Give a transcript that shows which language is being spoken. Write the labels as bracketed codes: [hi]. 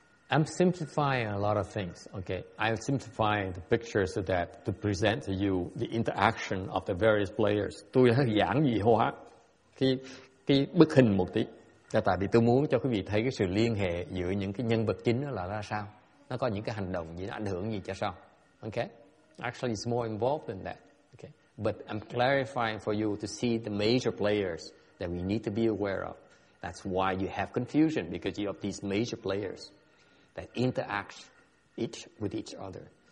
[en] I'm simplifying a lot of things, okay? I'm simplifying the picture so that to present to you the interaction of the various players. [vi] Tôi hơi giản dị hóa cái bức hình một tí. Là tại vì tôi muốn cho quý vị thấy cái sự liên hệ giữa những cái nhân vật chính là ra sao. Nó có những cái hành động gì, nó ảnh hưởng gì cho sao. [en] Okay? Actually, it's more involved than that. But I'm clarifying for you to see the major players that we need to be aware of. That's why you have confusion, because you have these major players that interact each with each other.